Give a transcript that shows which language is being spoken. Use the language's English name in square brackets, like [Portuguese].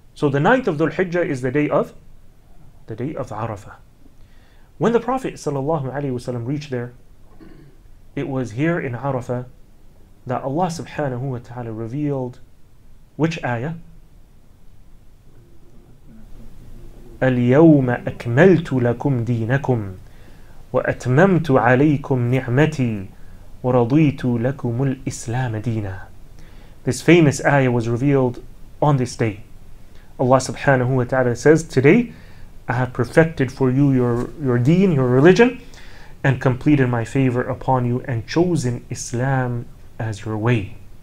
[English] So the 9th of Dhul Hijjah is the day of Arafah. When the Prophet ﷺ reached there, it was here in Arafah that Allah subhanahu wa ta'ala revealed which ayah? [Arabic] اليوم أكملت لكم دينكم وأتممت عليكم نعمتي ورضيت لكم الإسلام دينا. [English] This famous ayah was revealed on this day. Allah subhanahu wa ta'ala says, today I have perfected for you your deen, your religion, and completed my favor upon you and chosen Islam as your way.